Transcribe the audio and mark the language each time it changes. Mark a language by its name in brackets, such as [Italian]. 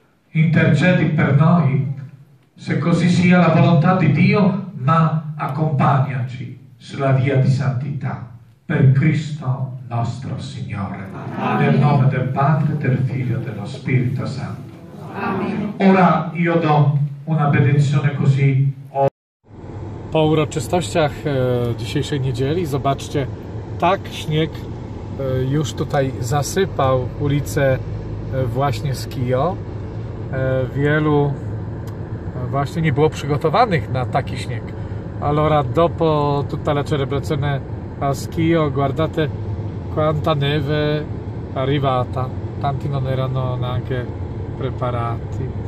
[Italian] Intercedi per noi, se così sia la volontà di Dio, ma accompagnaci sulla via di santità, per Cristo nostro Signore. Amen. Nel nome del Padre, del Figlio e dello Spirito Santo. Amen. Ora io do una benedizione così. [Polish] Po uroczystościach dzisiejszej niedzieli, zobaczcie, tak śnieg już tutaj zasypał ulicę właśnie z Kijo. Wielu właśnie nie było przygotowanych na taki śnieg. [Italian] Allora, dopo tutta la celebrazione a Schio, guardate quanta neve è arrivata. Tanti non erano neanche preparati.